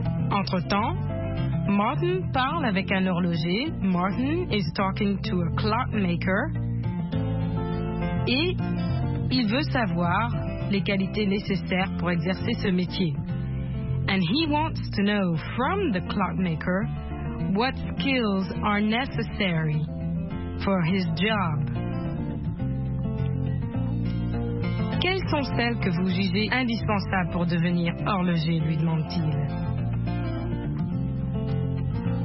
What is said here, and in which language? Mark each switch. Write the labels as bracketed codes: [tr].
[fr] Entre-temps, Martin parle avec un horloger. [en] Martin is talking to a clockmaker. [fr] Et il veut savoir les qualités nécessaires pour exercer ce métier. [en] And he wants to know from the clockmaker what skills are necessary for his job. [fr] Quelles sont celles que vous jugez indispensables pour devenir horloger, lui demande-t-il.